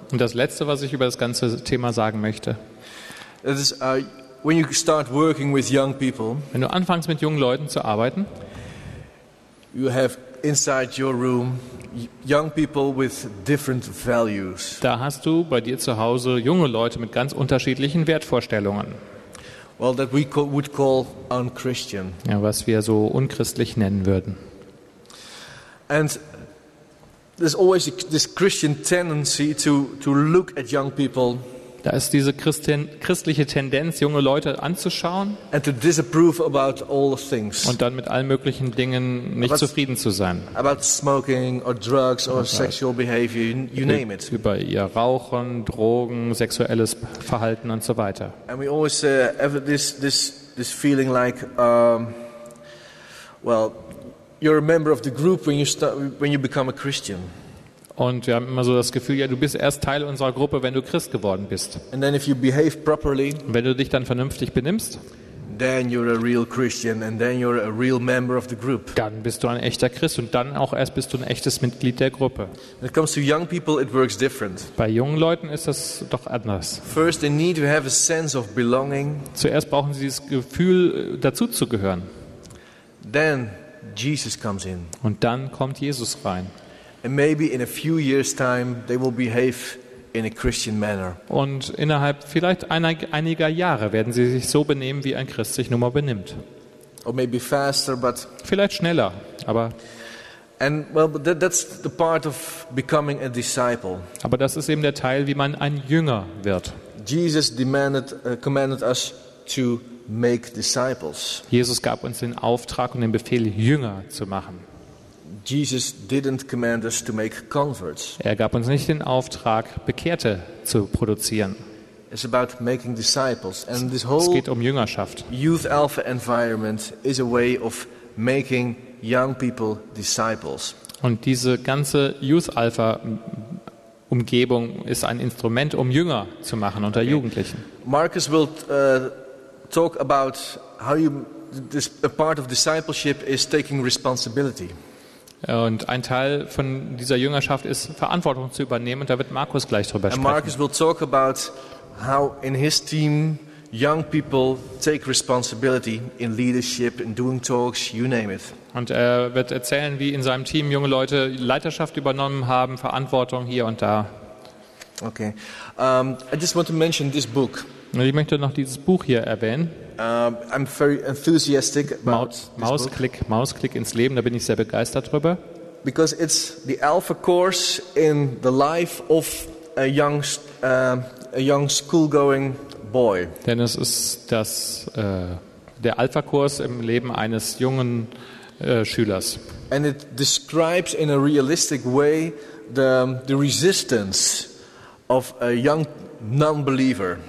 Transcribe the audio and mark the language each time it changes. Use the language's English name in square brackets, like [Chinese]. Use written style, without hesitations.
[German] Und das letzte, was ich über das ganze Thema sagen möchte. [English] Is when you start working with young people. [German] Wenn du anfängst mit jungen Leuten zu arbeiten. [English] You have inside your room young people with different values. [German] Da hast du bei dir zu Hause junge Leute mit ganz unterschiedlichen Wertvorstellungen. [English] Well, that we would call unchristian. [German] Ja, was wir so unchristlich nennen würden. [English] And there's always this Christian tendency to look at young people. [German] Da ist diese christliche Tendenz, junge Leute anzuschauen [English] and to disapprove about all the things. [German] Und dann mit allen möglichen Dingen nicht zufrieden zu sein. [English] About smoking or drugs or sexual behavior, you name it. [German] Über ihr Rauchen, Drogen, sexuelles Verhalten und so weiter. [English] And we always have this feeling like, you're a member of the group when you become a Christian. [German] Und wir haben immer so das Gefühl, ja, du bist erst Teil unserer Gruppe, wenn du Christ geworden bist. [English] And then if you behave properly, [German] wenn du dich dann vernünftig benimmst, [English] then you're a real Christian and then you're a real member of the group. [German] Dann bist du ein echter Christ und dann auch erst bist du ein echtes Mitglied der Gruppe. [English] When it comes to young people, it works different. [German] Bei jungen Leuten ist das doch anders. [English] First they need to have a sense of belonging. [German] Zuerst brauchen sie das Gefühl, dazuzugehören. [English] Then Jesus comes in. [German] Und dann kommt Jesus rein. [English] And maybe in a few years time they will behave in a Christian manner. [German] Und innerhalb vielleicht einiger Jahre werden sie sich so benehmen, wie ein Christ sich nun mal benimmt. [English] Or maybe faster, but [German] vielleicht schneller, aber [English] and well, that's the part of becoming a disciple. [German] Aber das ist eben der Teil, wie man ein Jünger wird. [English] Jesus commanded us to make disciples. [German] Jesus gab uns den Auftrag und den Befehl, Jünger zu machen. [English] Jesus didn't command us to make converts. [German] Er gab uns nicht den Auftrag, Bekehrte zu produzieren. [English] It's about making disciples. And this whole [German] es geht um Jüngerschaft. [English] Youth Alpha environment is a way of making young people disciples. [German] Und diese ganze Youth Alpha Umgebung ist ein Instrument, um Jünger zu machen unter Jugendlichen. [English] Marcus will talk about how you this a part of discipleship is taking responsibility. [German] Und ein Teil von dieser Jüngerschaft ist, Verantwortung zu übernehmen. Und da wird Markus gleich drüber sprechen. [English] And Markus will talk about how in his team young people take responsibility in leadership, in doing talks, you name it. [German] Und er wird erzählen, wie in seinem Team junge Leute Leiterschaft übernommen haben, Verantwortung hier und da. [English] Okay. I just want to mention this book. [German] Ich möchte noch dieses Buch hier erwähnen. [English] I'm very enthusiastic about [German] Mausklick ins Leben, da bin ich sehr begeistert drüber. [English] Because it's the alpha course in the life of a young school going boy. [German] Denn es ist das der Alpha Kurs im Leben eines jungen Schülers. [English] And it describes in a realistic way the resistance of a young non-believer.